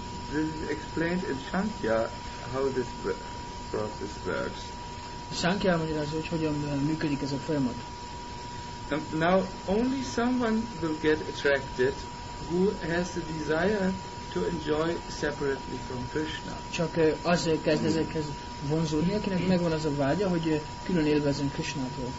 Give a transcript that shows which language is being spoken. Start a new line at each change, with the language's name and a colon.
English: This is explained in Sankhya how this process works.
Hungarian: Sankhya magyarázza, hogy hogyan működik ez a folyamat.
English: Now only someone will get attracted who has the desire to enjoy separately from Krishna.
Hungarian: Csak az kezd ezekhez vonzódni, akinek megvan az a vágya, hogy külön élvezzen Krishnától.